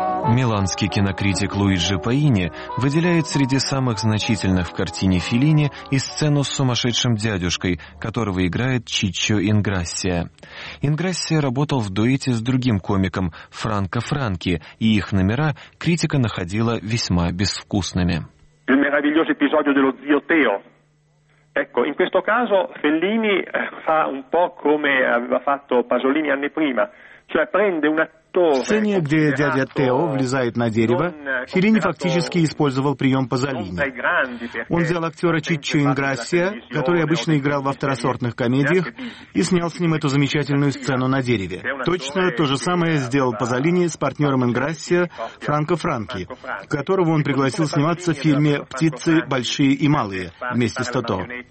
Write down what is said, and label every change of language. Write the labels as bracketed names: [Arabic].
[Russian] Миланский кинокритик Луиджи Паини выделяет среди самых значительных в картине Феллини и сцену с сумасшедшим дядюшкой, которого играет Чиччо Инграссия. Инграссия работал в дуэте с другим комиком Франко Франки, и их номера критика находила весьма безвкусными. [Italian] Il meraviglioso episodio dello zio Teo. Ecco, in questo caso Fellini fa un po' come aveva fatto Pasolini anni prima, cioè prende una [Russian] В сцене, где дядя Тео влезает на дерево, Феллини фактически использовал прием Пазолини. Он взял актера Чиччо Инграссия, который обычно играл во второсортных комедиях, и снял с ним эту замечательную сцену на дереве. Точно то же самое сделал Пазолини с партнером Инграссия Франко Франки, которого он пригласил сниматься в фильме «Птицы большие и малые» вместе с Тото.